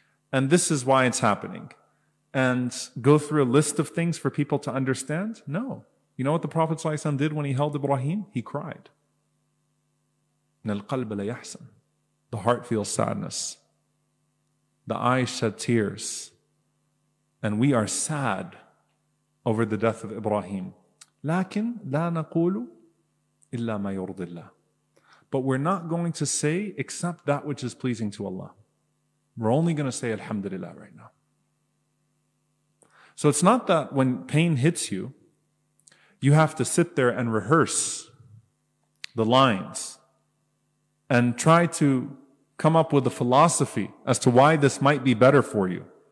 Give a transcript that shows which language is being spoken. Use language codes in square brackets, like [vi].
[en] And this is why it's happening. And go through a list of things for people to understand? No. You know what the Prophet ﷺ did when he held Ibrahim? He cried. The heart feels sadness. The eyes shed tears. And we are sad over the death of Ibrahim. [ar] لكن لا نقول إلا ما يرضي الله. [en] But we're not going to say except that which is pleasing to Allah. We're only going to say Alhamdulillah right now. So it's not that when pain hits you, you have to sit there and rehearse the lines and try to come up with a philosophy as to why this might be better for you.